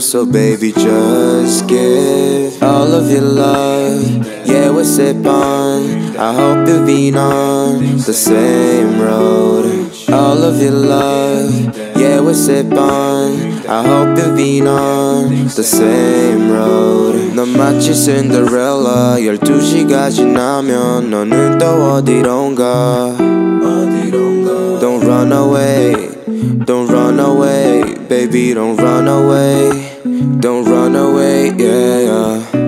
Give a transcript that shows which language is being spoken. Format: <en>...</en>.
<en>So baby, just give all of your love. Yeah, we'll sip on. I hope you've been on the same road. All of your love. Yeah, we'll sip on. I hope you've been on the same road.</en> <ko>너 마치 Cinderella. 12시가 지나면 너는 또 어디론가.</ko> <en>Don't run away, don't run away, baby, don't run away, don't run away, yeah, yeah.</en>